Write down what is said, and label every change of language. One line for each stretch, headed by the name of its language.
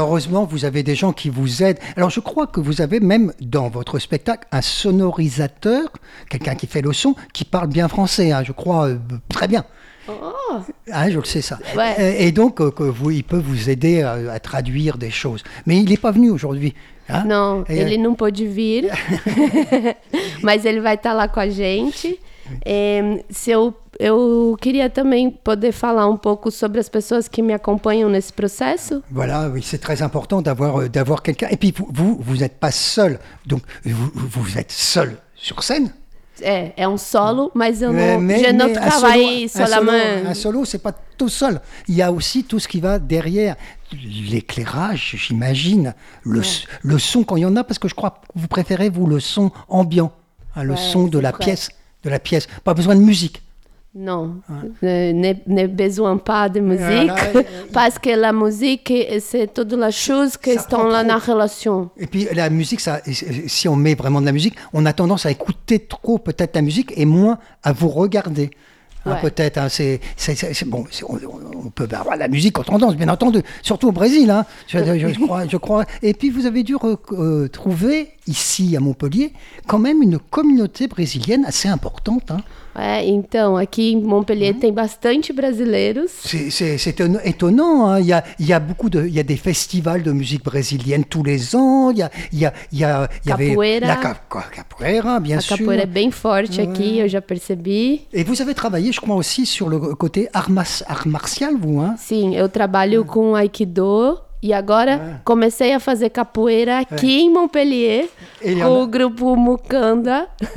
French: Et heureusement, vous avez des gens qui vous aident. Alors, je crois que vous avez même dans votre spectacle un sonorisateur, quelqu'un qui fait le son, qui parle bien français, hein, je crois très bien. Oh. Ah, je le sais ça. Ouais. Et donc, il peut vous aider à traduire des choses. Mais il n'est pas venu aujourd'hui. Hein? Non, il ne peut pas venir. Mais il va être là avec nous.
Portuguese: Eu queria também poder falar um pouco sobre as pessoas que me acompanham nesse processo.
French: Voilà, oui, c'est très important d'avoir quelqu'un. Et puis vous êtes pas seul. Donc vous êtes seul sur scène?
Portuguese: É um solo, mas eu não,
French: je ne travaille solo. Un solo, c'est pas tout seul. Il y a aussi tout ce qui va derrière, l'éclairage, j'imagine, le son quand il y en a, parce que je crois que vous préférez le son ambiant, hein, le son de la pièce, pas besoin de musique. Non, ne besoin pas de musique, parce que la musique, c'est toute la chose qui est dans la relation. Et puis la musique, ça, si on met vraiment de la musique, on a tendance à écouter trop peut-être la musique et moins à vous regarder. Ouais. Hein, peut-être, hein, on peut avoir la musique quand on danse, bien entendu, surtout au Brésil, hein, je crois. Et puis vous avez dû trouver ici à Montpellier quand même une communauté brésilienne assez importante. Hein.
Portuguese: Ouais, então, aqui em Montpellier tem bastante brasileiros.
French: C'est étonnant, hein. Il y a des festivals de musique brésilienne tous les ans. Il y avait la capoeira, bien sûr. La capoeira est bien forte
Portuguese: aqui, eu já percebi.
French: Et vous avez travaillé, je crois, aussi sur le côté art martial, vous, hein?
Portuguese: Sim, eu trabalho com aikido. E agora comecei a fazer capoeira aqui em Montpellier, com o grupo Mukanda.